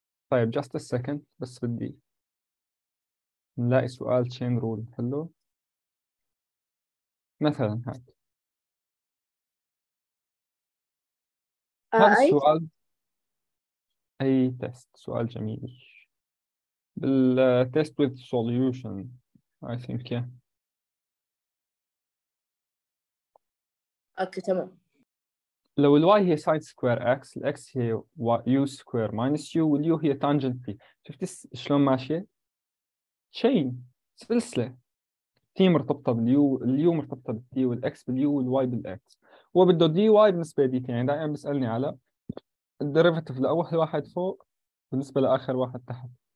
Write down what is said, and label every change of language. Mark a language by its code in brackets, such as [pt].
[ar] طيب just a second، بس بدي نلاقي سؤال chain rule حلو مثلا. هاد هذا اي السؤال، أي تيست؟ سؤال جميل. [en] بالتيست with solution I think. yeah. [ar] اوكي تمام. لو ال y هي sin square x، ال x هي u square minus u، وال u هي tangent t. شفت شلون ماشية؟ chain، سلسلة. t مرتبطة بال u، ال u مرتبطة بال t، وال x بال u، وال y بال x. هو بده dy بالنسبة لدي تي، يعني دائما بيسألني على الديريفيتيف لأول واحد فوق بالنسبة لآخر واحد تحت.